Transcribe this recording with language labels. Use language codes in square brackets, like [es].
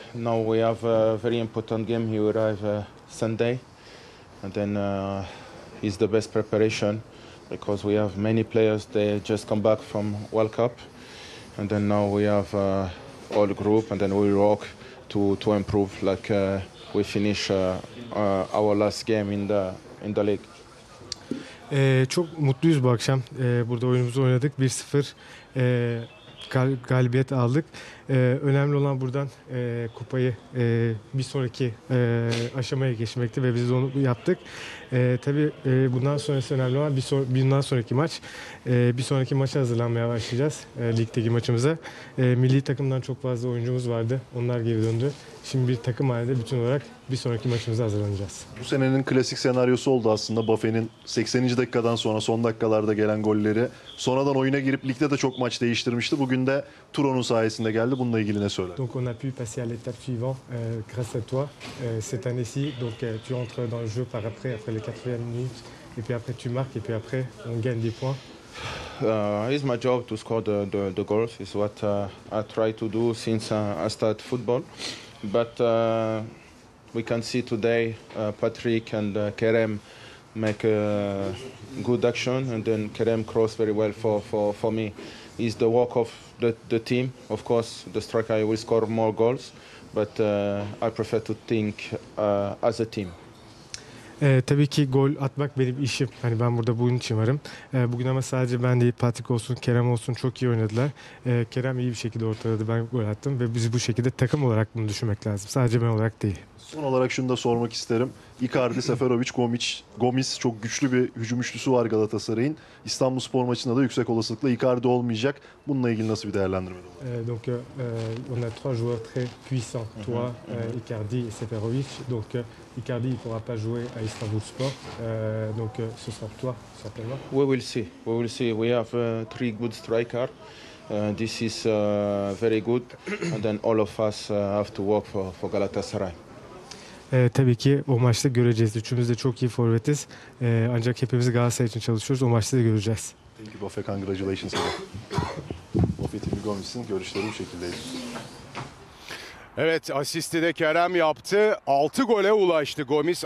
[en] Now we have a very important game here. We arrive Sunday, and then is the best preparation because we have many players. They just come back from World Cup. And then now we have all the group, and then we rock to improve. Like we finish our last game in the league. [tr] Çok mutluyuz bu akşam. Burada oyunumuzu oynadık. 1-0 galibiyet aldık. Önemli olan buradan kupayı bir sonraki aşamaya geçmekti ve biz de onu yaptık. Tabii bundan sonrası önemli olan bundan sonraki maç. Bir sonraki maça hazırlanmaya başlayacağız. Ligdeki maçımıza. Milli takımdan çok fazla oyuncumuz vardı. Onlar geri döndü. Şimdi bir takım halinde bütün olarak bir sonraki maçımıza hazırlanacağız. Bu senenin klasik senaryosu oldu aslında. Buffett'in 80. dakikadan sonra son dakikalarda gelen golleri. Sonradan oyuna girip ligde de çok maç değiştirmişti. Bugün de Turon'un sayesinde geldi. Bununla ilgili ne söyler? [fr] Donc on a pu passer à l'étape suivant grâce à toi cette année-ci. Donc tu entres dans le jeu par après les 80 minutes et puis après tu marques et puis après on gagne des points. [en] It's my job to score the goals. It's what I try to do since I start football. But we can see today Patrick and Kerem make a good action, and then Kerem cross very well for me. Is the work of the team. Of course, the striker will score more goals, but I prefer to think as a team. [tr] Tabii ki gol atmak benim işim. Hani ben burada bunun için varım. Bugün ama sadece ben değil, Patrick olsun, Kerem olsun çok iyi oynadılar. Kerem iyi bir şekilde ortaladı, ben gol attım. Ve biz bu şekilde takım olarak bunu düşünmek lazım. Sadece ben olarak değil. Son olarak şunu da sormak isterim. Icardi, Seferovic, Gomis çok güçlü bir hücum üçlüsü var Galatasaray'ın. İstanbul Spor maçında da yüksek olasılıkla Icardi olmayacak. Bununla ilgili nasıl bir değerlendirme olur? [fr] Donc on a trois joueurs très puissants. Toi, Icardi et Seferovic. Donc Icardi il pourra pas jouer à Istanbul Spor. Donc ce sera toi certainement. [en] We will see. We will see. We have three good strikers. This is very good. And then all of us have to work for Galatasaray. [tr] Tabii ki o maçta göreceğiz. Üçümüz de çok iyi forvetiz. Ancak hepimiz Galatasaray için çalışıyoruz. O maçta da göreceğiz. [en] Thank you, Buffett. Congratulations. [tr] Buffett Migomis'in görüşleri bu şekildeydi. Evet, asisti de Kerem yaptı. 6 gole ulaştı Gomis.